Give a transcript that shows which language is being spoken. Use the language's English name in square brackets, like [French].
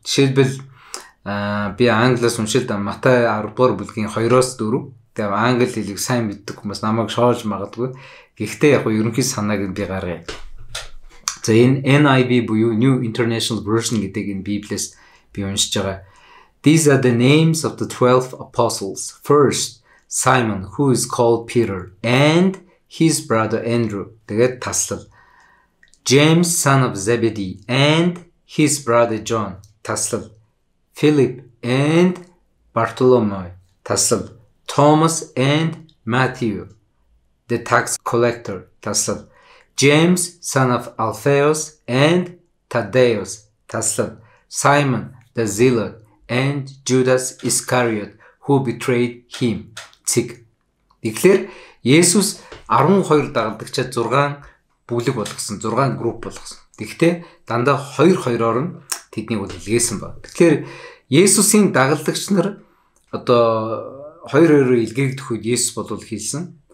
[Mongolian] Жишээлбэл би англиас уншилт Матай 10 дугаар бүлгийн 2-4. Тэгээ англи хэлийг сайн мэддэг хүмүүс намайг шоолж магадгүй. Гэхдээ яг ерөнхий санааг би гаргая. За энэ NIV буюу New International Version гэдэг энэ Библиэс би уншиж байгаа. [English] These are the names of the 12 apostles. First, Simon, who is called Peter, and his brother Andrew. [Mongolian] Тэгээд таслал. [English] James, son of Zebedee, and his brother John. [Mongolian] Таслал. [English] Philip and Bartholomew. [Mongolian] Таслал. [English] Thomas and Matthew, the tax collector. [Mongolian] Таслал. [English] James, son of Alphaeus, and Thaddeus. [Mongolian] Таслал. [English] Simon, the zealot, and Judas Iscariot, who betrayed him. Цик. [Mongolian] Тэгэхээр Есүс 12 дагалдагчаа 6 бүлэг болгосон, 6 групп болгосон. Тэгтээ дандаа 2-2-оор нь тэднийг үлгээсэн ба. Тэгэхээр Есүсийн дагалдагч нар одоо 2-2-оор илгээгдэх үед Есүс болов хэлсэн.